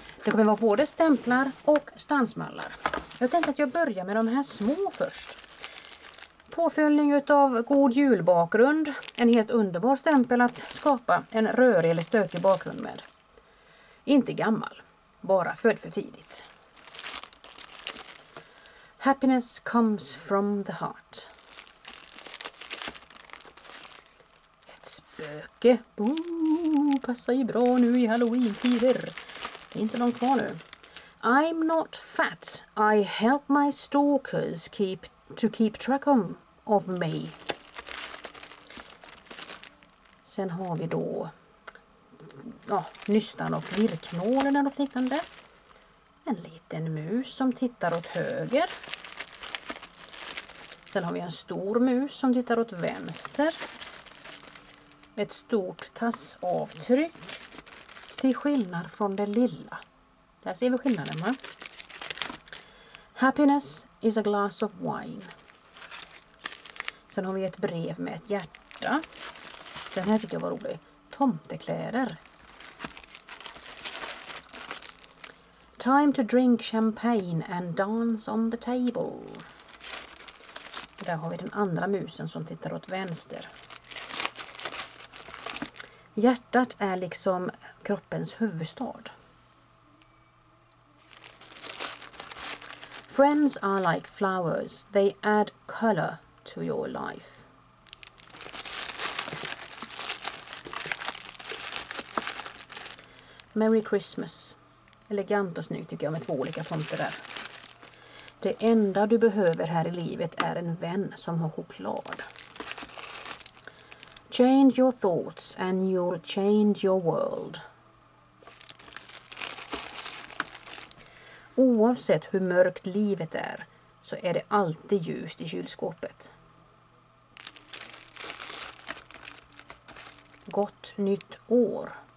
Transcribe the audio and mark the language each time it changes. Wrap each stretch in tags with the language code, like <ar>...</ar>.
<sv>Det kommer vara både stämplar och stansmallar. Jag tänkte att jag börjar med de här små först. Påfyllning av god julbakgrund. En helt underbar stämpel att skapa en rörig eller stökig bakgrund med. Inte gammal, bara född för tidigt.</sv> <en>Happiness comes from the heart.</en> <sv>Spöke. Ooh, passar ju bra nu i Halloween-tider. Det är inte långt kvar nu.</sv> <en>I'm not fat. I help my stalkers keep track of me.</en> <sv>Sen har vi då nystan och virknålen och liknande. En liten mus som tittar åt höger. Sen har vi en stor mus som tittar åt vänster. Ett stort tassavtryck till skillnad från det lilla. Där ser vi skillnaden, va?</sv> <en>Happiness is a glass of wine.</en> <sv>Sen har vi ett brev med ett hjärta. Den här tycker jag var rolig. Tomtekläder.</sv> <en>Time to drink champagne and dance on the table.</en> <sv>Och där har vi den andra musen som tittar åt vänster. Hjärtat är liksom kroppens huvudstad.</sv> <en>Friends are like flowers. They add color to your life. Merry Christmas.</en> <sv>Elegant och snyggt tycker jag med två olika fonter där. Det enda du behöver här i livet är en vän som har choklad.</sv> <en>Change your thoughts and you'll change your world.</en> <sv>Oavsett hur mörkt livet är, så är det alltid ljust i kylskåpet. Gott nytt år.</sv>